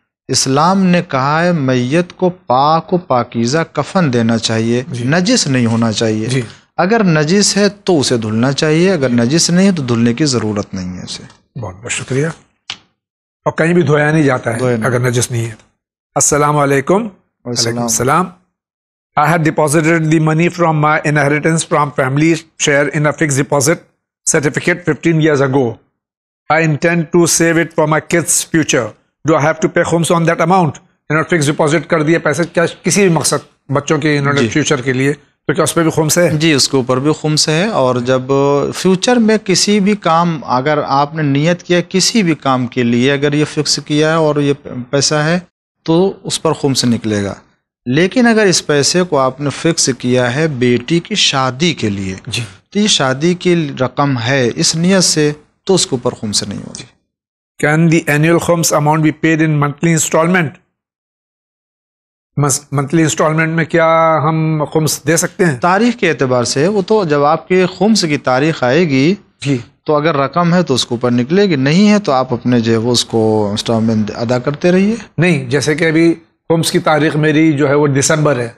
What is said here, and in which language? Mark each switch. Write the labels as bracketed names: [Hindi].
[Urdu] اسلام نے کہا ہے میت کو پاک و پاکیزہ کفن دینا چاہیے، نجس نہیں ہونا چاہیے. اگر نجس ہے تو اسے دھلنا چاہیے، اگر نجس نہیں ہے تو دھلنے کی ضرورت نہیں ہے اسے. بہت بہت شکریہ. اور کہیں بھی دھویا نہیں جاتا ہے اگر نجس نہیں ہے. السلام علیکم. وعلیکم السلام. [English] I had deposited the money from my inheritance from family share in a fixed deposit certificate 15 years ago. I intend to save it for my kids' future. Do I have to pay khums on that amount? You know, fixed deposit [Urdu] کر دیا پیسے کیا کسی بھی مقصد بچوں کے انہوں نے فیوچر کے لیے، تو کیا اس پہ بھی خمس ہے؟ جی، اس کے اوپر بھی خمس ہے. اور جب فیوچر میں کسی بھی کام اگر آپ نے نیت کیا کسی بھی کام کے لیے، اگر یہ فکس کیا ہے اور یہ پیسہ ہے تو اس پر خمس نکلے گا. لیکن اگر اس پیسے کو آپ نے فکس کیا ہے بیٹی کی شادی کے لیے، جی، تو یہ شادی کی رقم ہے اس نیت سے، تو اس کے اوپر خمس نہیں ہوگی. [English] Can the annual khums amount be paid in monthly installment? [Urdu] Monthly installment میں کیا ہم خمس دے سکتے ہیں؟ تاریخ کے اعتبار سے، وہ تو جب آپ کے خمس کی تاریخ آئے گی جی، تو اگر رقم ہے تو اس کے اوپر نکلے گی، نہیں ہے تو آپ اپنے جو ہے وہ اس کو انسٹالمنٹ ادا کرتے رہیے. نہیں، جیسے کہ ابھی خمس کی تاریخ میری جو ہے وہ دسمبر ہے